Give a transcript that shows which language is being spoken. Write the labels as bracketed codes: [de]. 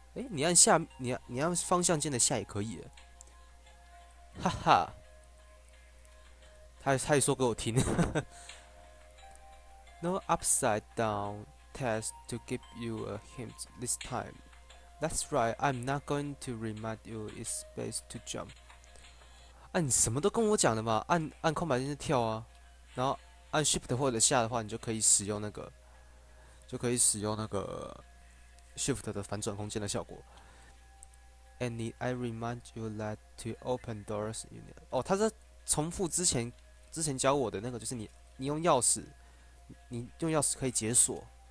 [zh] 你按下，你按方向键的下也可以，哈哈，他还说给我听 ， [en] No upside down test to give you a hint this time. That's right, I'm not going to remind you it's space to jump. [zh] 你什么都跟我讲了嘛，按空白键就跳啊，然后按 shift 或者下的话，你就可以使用那个，就可以使用那个。 Shift 的反转空间的效果。 [en] And need I remind you that to open doors, you need. [zh] 哦，他在重复之前教我的那个，就是你用钥匙，你用钥匙可以解锁。